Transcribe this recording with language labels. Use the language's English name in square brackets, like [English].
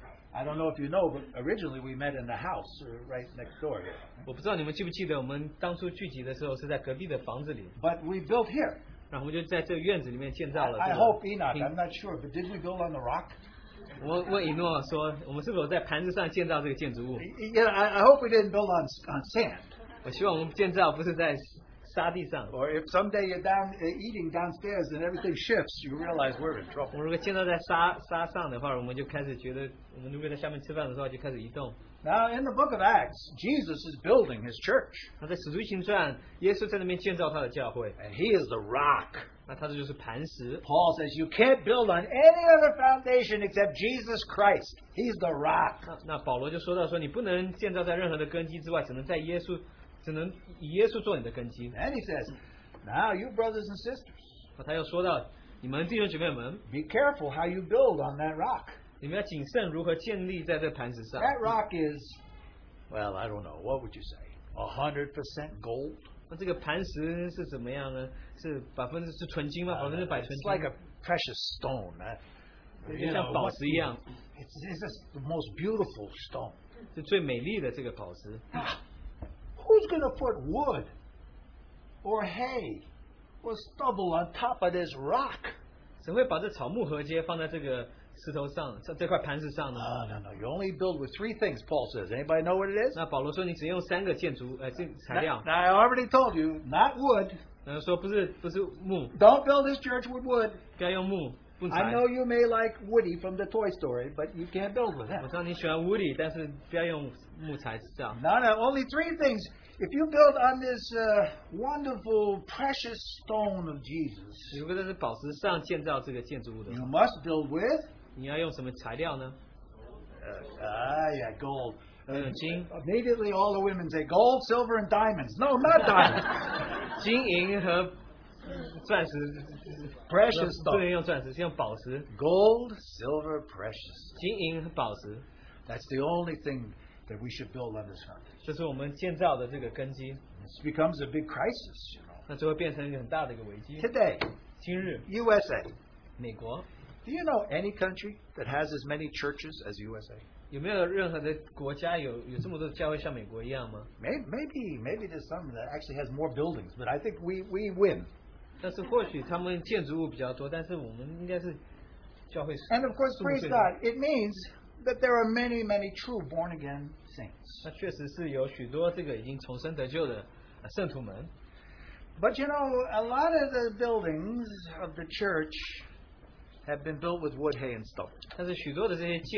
[English] I don't know if you know, but originally we met in the house right next door. [Chinese] 我不知道你们记不记得我们当初聚集的时候是在隔壁的房子里, [English] but we built here. [Chinese] 然后我们就在这个院子里面建造了这个, [English] I hope Enoch, I'm not sure, but did we build on the rock? [Chinese] 我问以诺说, 我们是否在盘子上建造这个建筑物? [English] Yeah, I hope we didn't build on sand. [Chinese] 我希望我们建造不是在沙地上。 [English] Or if someday you're down eating downstairs and everything shifts, you realize we're in trouble. [Chinese] 我如果建造在沙上的话, 我们就开始觉得, 我们如果在下面吃饭的时候, 就开始移动。 [English] Now in the book of Acts, Jesus is building his church. [Chinese] 那在使徒行传, 耶稣在那边建造他的教会。 [English] And he is the rock. [Chinese] 那他就是磐石。 [English] Paul says, "You can't build on any other foundation except Jesus Christ. He's the rock." [Chinese] 那保罗就说到说, 你不能建造在任何的根基之外, 只能在耶稣, 只能以耶稣做你的根基。 [English] And he says, "Now you brothers and sisters, [Chinese] 他又说到, 你们弟兄姐妹们, [English] be careful how you build on that rock." [Chinese] 你们要谨慎如何建立在这磐石上。 [English] That rock is, well, I don't know, what would you say? 100% gold? [Chinese] 那这个磐石是怎么样呢? 是纯金吗? [English] It's like a precious stone. It's the most beautiful stone. [Chinese] 是最美丽的这个宝石。 [English] Who's going to put wood or hay or stubble on top of this rock? [Chinese] 谁会把这草木和秸放在这个石头上，这块盘石上呢？ [English] No, you only build with three things, Paul says. Anybody know what it is? [Chinese] 那保罗说你只用三个建筑材料。 [English] I already told you, not wood. [Chinese] 说不是木。 [English] Don't build this church with wood. [Chinese] 该用木。 [English] I know you may like Woody from the Toy Story, but you can't build with that. [Chinese] 我知道你喜欢Woody, 但是不要用木材造。 [English] No, only three things. If you build on this wonderful, precious stone of Jesus, [Chinese] 如果这是宝石上建造这个建筑物的话, [English] you must build with? [Chinese] 你要用什么材料呢? [English] Yeah, gold. [Chinese] 金? [English] Immediately all the women say, gold, silver, and diamonds. No, not diamonds. [Chinese] 金银和 钻石, [English] precious stone. [Chinese] 不能用钻石, 是用宝石, [English] gold, silver, precious. [Chinese] 金银和宝石, [English] that's the only thing that we should build on this foundation. This becomes a big crisis, you know. Today, [Chinese] 今日, [English] USA, [Chinese] 美国, [English] do you know any country that has as many churches as USA? [Chinese] 有没有任何的国家有这么多教会像美国一样吗? [English] Maybe there's some that actually has more buildings, but I think we win. [Chinese] 但是或许他们建筑物比较多, [English] and of course, praise God, it means that there are many, many true born again saints. [Chinese] 那确实是有许多这个已经重生得救的圣徒们。 [English] But you know, a lot of the buildings of the church have been built with wood, hay, and stone.